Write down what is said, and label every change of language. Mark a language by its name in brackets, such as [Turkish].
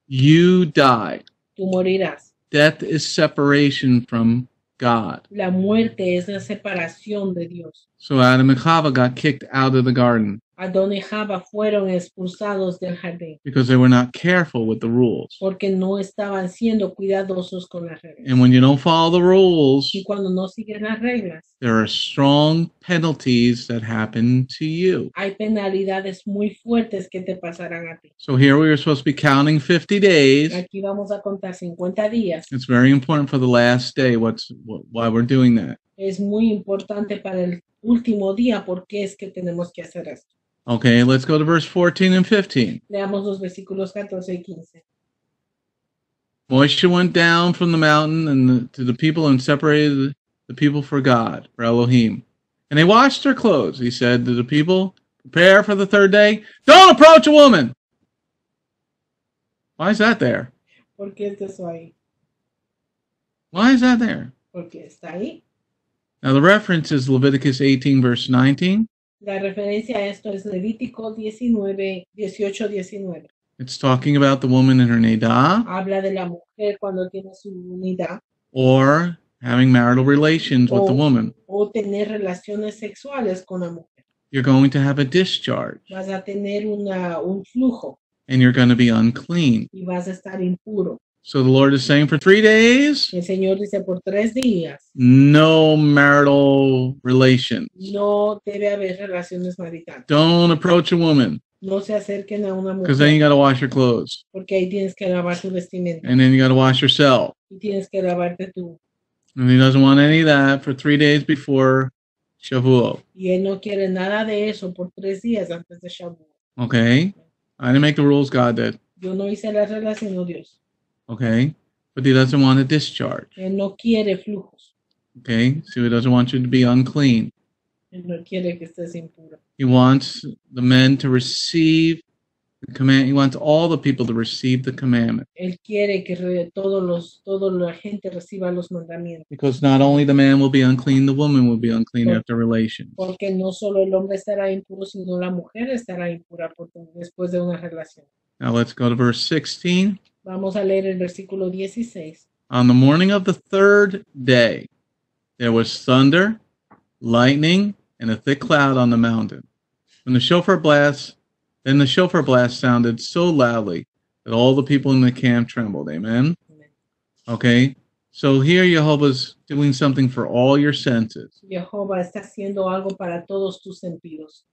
[English] you die. [Spanish] Tú morirás. [English] Death is separation from God. [Spanish] La muerte es la separación de Dios. [English] So Adam and Eva got kicked out of the garden. [Spanish] Adán y Eva fueron expulsados del jardín. [English] Because they were not careful with the rules. [Spanish] Porque no estaban siendo cuidadosos con las reglas. [English] And when you don't follow the rules, [Spanish] y cuando no siguen las reglas, [English] there are strong penalties that happen to you. [Spanish] Hay penalidades muy fuertes que te pasarán a ti. [English] So here we are supposed to be counting 50 days. [Spanish] Aquí vamos a contar 50 días. [English] It's very important for the last day. Why we're doing that. [Spanish] Es muy importante para el último día porque es que tenemos que hacer esto. [English] Okay, let's go to verse 14 and 15. [Spanish] Leamos los versículos 14 y 15. [English] Moisture went down from the mountain and to the people and separated the people for God, for Elohim. And they washed their clothes. He said to the people, prepare for the third day. Don't approach a woman. Why is that there? [Spanish] ¿Por qué está eso ahí? [English] Why is that there? [Spanish] Porque está ahí. [English] Now the reference is Leviticus 18, verse 19. [Spanish] La referencia a esto es Levítico 18:19. [English] It's talking about the woman in her nidah. [Spanish] Habla de la mujer cuando tiene su nidah. [English] Or having marital relations with the woman. [Spanish] O tener relaciones sexuales con la mujer. [English] You're going to have a discharge. [Spanish] Vas a tener un flujo. [English] And you're going to be unclean. [Spanish] Y vas a estar impuro. [English] So the Lord is saying for 3 days, [Spanish] el Señor dice por tres días, [English] no marital relations. [Spanish] No debe haber relaciones maritales. [English] Don't approach a woman. [Spanish] No se acerquen a una mujer. [English] Because then you got to wash your clothes. [Spanish] Porque ahí tienes que lavar tu vestimenta. [English] And then you got to wash yourself. [Spanish] Y tienes que lavarte tú. [English] And he doesn't want any of that for 3 days before Shavuot. [Spanish] Y él no quiere nada de eso por tres días antes de Shavuot. [English] Okay. I didn't make the rules, God did. [Spanish] Yo no hice las reglas, sino Dios. [English] Okay, But he doesn't want a discharge. [Spanish] Él no quiere flujos. [English] Okay, so he doesn't want you to be unclean. [Spanish] Él no quiere que estés impuro. [English] He wants the men to receive the command. He wants all the people to receive the commandment. [Spanish] Él quiere que toda la gente reciba los mandamientos. [English] Because not only the man will be unclean, the woman will be unclean after relations. [Spanish] Porque no solo el hombre estará impuro, sino la mujer estará impura después de una relación. [English] Now let's go to verse 16. [Spanish] Vamos a leer el versículo 16. [English] On the morning of the third day, there was thunder, lightning, and a thick cloud on the mountain. Then the shofar blast sounded so loudly that all the people in the camp trembled. Amen? Okay, so here Jehovah's doing something for all your senses. [Spanish] Jehovah está haciendo algo para todos tus sentidos.